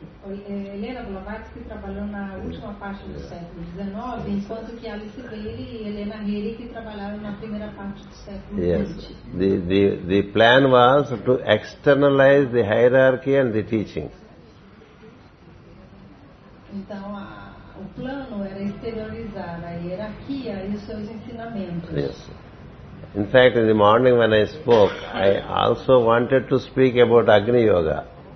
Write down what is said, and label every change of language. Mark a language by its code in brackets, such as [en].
[pt] Helena Blavatsky trabalhou na última parte do século XIX, enquanto que Alice Bailey e Helena Roerich trabalharam na primeira parte do século XX. [en] The plan was to externalize the hierarchy and the teaching. [pt] Então, o plano era exteriorizar a hierarquia e os seus ensinamentos. [en] Yes. In fact, in the morning when I spoke, I also wanted to speak about Agni Yoga.